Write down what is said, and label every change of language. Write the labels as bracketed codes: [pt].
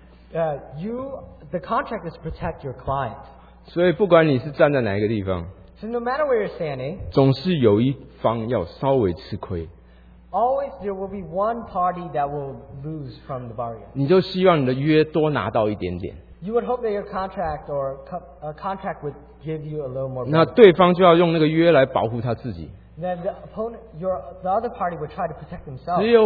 [en] the contract is to protect your client. [zh] 所以不管你是站在哪一个地方, [en] so no matter where you're standing, [zh] 总是有一方要稍微吃亏, [en] always there will be one party that will lose from the bargain. [zh] 你就希望你的约多拿到一点点, [en] you would hope that your contract or a contract would give you a little more. [zh] 那对方就要用那个约来保护他自己。 [en] Then the opponent, the other party would try to protect themselves.